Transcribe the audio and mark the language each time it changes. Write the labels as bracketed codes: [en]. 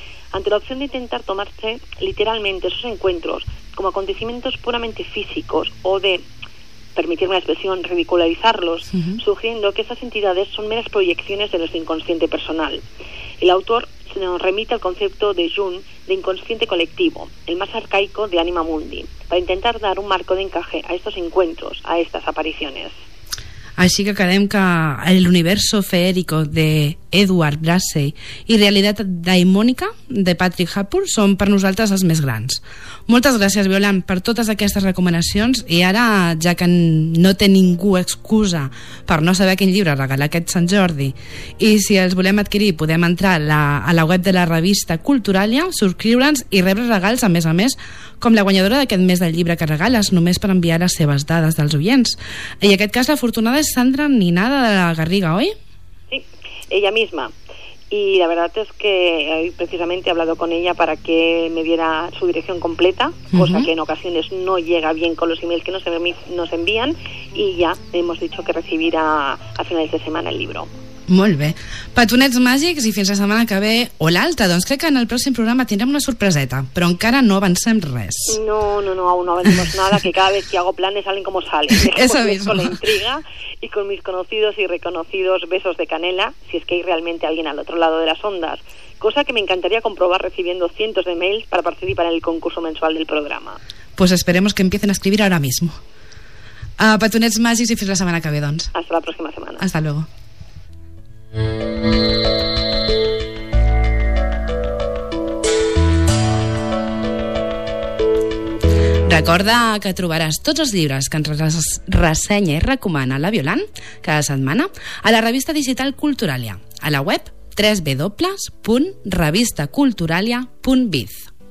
[es] Ante la opción de intentar tomarse literalmente esos encuentros como acontecimientos puramente físicos o de, permitirme la expresión, ridicularizarlos, sugiriendo que esas entidades son meras proyecciones de nuestro inconsciente personal. El autor se nos remite al concepto de Jung de inconsciente colectivo, el más arcaico de Anima Mundi, para intentar dar un marco de encaje a estos encuentros, a estas apariciones. [ca] Així que quedem que El universo feérico de Edward Brassey i Realitat daimònica de Patrick Harpur són per nosaltres els més grans. Moltes gràcies, Violant, per totes aquestes recomanacions i ara, ja que no té ningú excusa per no saber quin llibre regalar aquest Sant Jordi i si els volem adquirir podem entrar a la web de la revista Culturalia, subscriure'ns i rebre regals a més, com la guanyadora d'aquest mes del llibre que regales, només per enviar les seves dades dels oients. I en aquest cas l'afortunada és Sandra Ninada de la Garriga, oi? [es] Sí, ella misma. Y la verdad es que precisamente he hablado con ella para que me diera su dirección completa, cosa que en ocasiones no llega bien con los emails que nos envían, y ya hemos dicho que recibirá a finales de semana el libro. [ca] Molt bé. Petonets màgics, i fins la setmana que ve o l'altra, doncs crec que en el pròxim programa tindrem una sorpreseta, però encara no avancem res. [es] No, no, no, aún no avancemos nada, que cada vez que hago planes salen como salen. Eso mismo. Con la intriga y con mis conocidos y reconocidos besos de canela, si es que hay realmente alguien al otro lado de las ondas. Cosa que me encantaría comprobar recibiendo cientos de mails para participar en el concurso mensual del programa. Pues esperemos que empiecen a escribir ahora mismo. [ca] Petonets màgics, i fins la setmana que ve, doncs. [es] Hasta la próxima semana. Hasta luego. [ca] Recorda que trobaràs tots els llibres que ens ressenya i recomana la Violant cada setmana a la revista digital Culturalia, a la web www.revistaculturalia.biz.